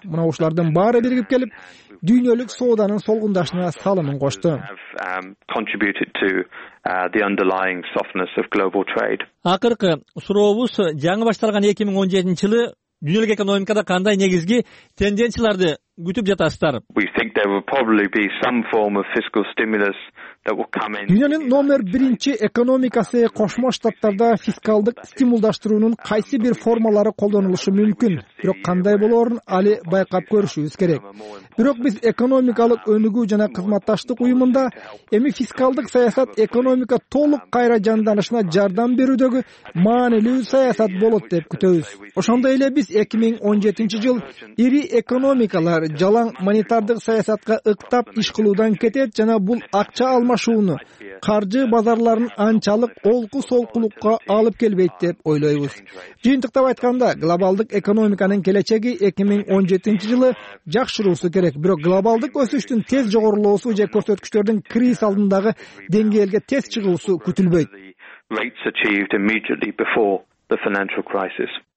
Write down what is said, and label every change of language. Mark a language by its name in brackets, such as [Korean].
[Kyrgyz] Мына ушулардын баары биригип келип, дүйнөлүк сооданын солгундашына салымын кошту. [English] The underlying softness of global trade. [Kyrgyz] Акыркы сурообуз, жаңы башталган 2017 жылы дүйнөлүк экономикада кандай негизги тенденцияларды күтүп жатасыздар? [English] We think there will probably be some form of fiscal stimulus. [Kyrgyz] Дүйнөнүн номер биринчи экономикасы Кошмо Штаттарда фискалдык стимулдаштыруунун кайсы бир формалары колдонулушу мүмкүн, бирок кандай болорун али байкап көрүшүбүз керек. Бирок биз экономикалык өнүгүү жана кызматташтык уюмунда эми фискалдык саясат экономика толук кайра жанданышына жардам берүүдөгү маанилүү саясат болот деп күтөбүз. Ошондой эле биз 2017 жыл ири экономикалар жалаң монетардык саясатка ыктап иш кылуудан кетет жана бул акча алмашууну каржы базарларын анчалык олку-солкулукка алып келбейт деп ойлойбуз. Жыйынтыктап айтканда, глобалдык экономиканын келечеги 2017 жылы жакшыруусу керек, бирок глобалдык өсүштүн тез жогорулоосу же көрсөткүчтөрдүн криз алдындагы деңгээлге тез чыгуусу күтүлбөйт. [English] Rates achieved immediately before the financial crisis.